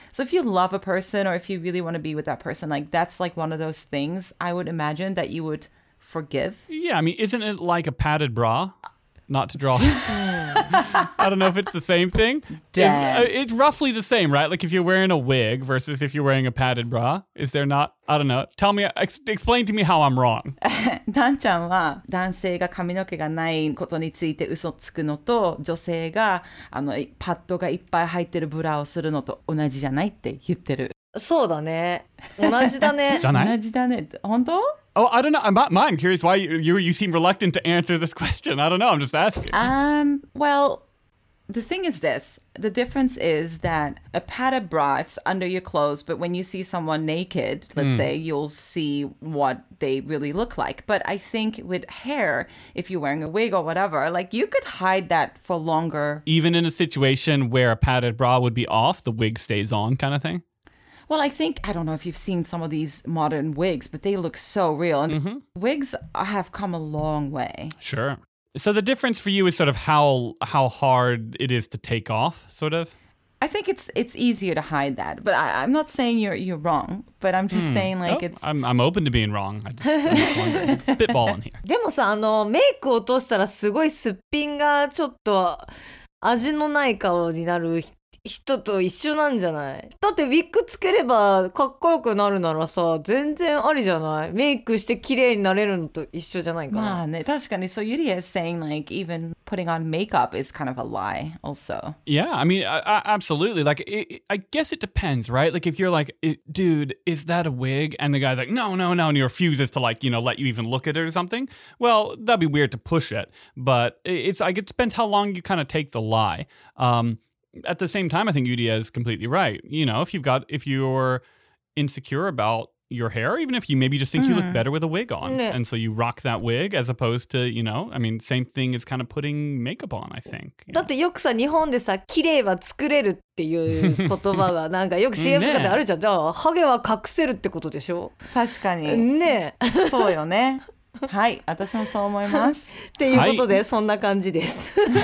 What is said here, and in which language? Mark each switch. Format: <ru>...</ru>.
<en>So if you love a person or if you really want to be with that person, like that's like one of those things I would imagine that you would forgive. Yeah, I mean, isn't it like a padded bra? Not to draw. I don't know if it's the same thing. It's roughly the same, right? Like if you're wearing a wig versus if you're wearing a padded bra, is there not? I don't know. Tell me, explain to me how I'm wrong.</en> <ja>Dan-chan は男性が髪の毛がないことについて嘘つくのと女性があのパッドがいっぱい入ってるブラをするのと同じじゃないって言ってる。そうだね。同じだね。じゃない？同じだね。本当？</ja> <en>Oh, I don't know. I'm curious why you seem reluctant to answer this question. I don't know. I'm just asking. Well, the thing is this. The difference is that a padded bra is under your clothes, but when you see someone naked, let's say, you'll see what they really look like. But I think with hair, if you're wearing a wig or whatever, like you could hide that for longer. Even in a situation where a padded bra would be off, the wig stays on kind of thing? Well, I think, I don't know if you've seen some of these modern wigs, but they look so real. And wigs have come a long way. Sure. So the difference for you is sort of how hard it is to take off, sort of? I think it's easier to hide that. But I'm not saying you're wrong, but I'm just saying like I'm open to being wrong. I just spitball in here.</en> <ja>でもさ、あの、メイク落としたらすごいすっぴんがちょっと味のない顔になる人。人と一緒なんじゃない？だってウィッグつければかっこよくなるならさ、全然ありじゃない？メイクして綺麗になれるのと一緒じゃないかな？まあね、確かに。</ja> <en>So Yuri is saying like even putting on makeup is kind of a lie also. Yeah, I mean, absolutely. Like, I guess it depends, right? Like if you're like, dude, is that a wig? And the guy's like, no, and he refuses to like, you know, let you even look at it or something. Well, that'd be weird to push it. But it's like, it depends how long you kind of take the lie. At the same time, I think Yudia is completely right. You know, if you're insecure about your hair, even if you maybe just think you look better with a wig on, and so you rock that wig as opposed to, you know, I mean, same thing as kind of putting makeup on, I think.</en> <ja>だってよくさ、日本でさ、綺麗は作れるっていう言葉がなんかよく CM とかであるじゃん。じゃあ、ハゲは隠せるってことでしょ？確かに。ね。そうよね。はい、私もそう思います。っていうことで、そんな感じです。</ja>